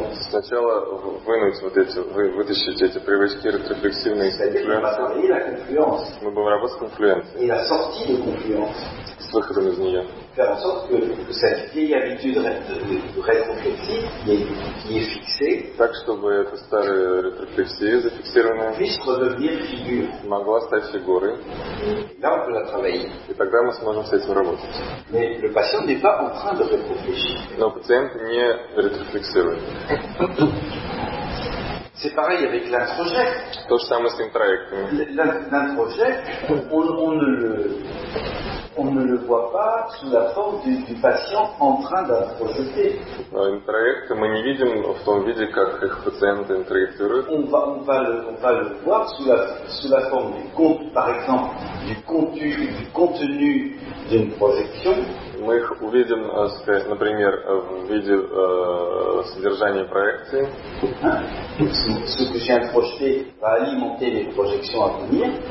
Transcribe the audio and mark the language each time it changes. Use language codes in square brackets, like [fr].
[ru] Сначала вынуть вот эти, вытащить эти привычки ретрофлексивные из конфлюенции. Мы будем работать с конфлюенцией. С выходом из нее. [fr] Faire en sorte que cette vieille habitude rétroflexive qui est fixée, [ru] так чтобы эта старая ретрофлексия зафиксированная, [fr] puisse redevenir figure, [ru] могла стать фигурой. [fr] Là on peut la travailler. [ru] И тогда мы сможем с этим работать. [fr] Mais le patient n'est pas en train de rétroflexir. [ru] Но пациент не ретрофлексирует. [fr] C'est pareil avec l'introject. [ru] То же самое с интроектами. [fr] L'introject, on ne le voit pas sous la forme du patient en train d'introjecter. [ru] Интроекты мы не видим в том виде, как их пациенты интроектируют. [fr] On va le voir sous la forme du compte, par exemple, du contenu d'une projection. [ru] Мы их увидим, сказать, например, в виде содержания проекции. [fr] Ce que j'ai projeté va alimenter les projections à venir.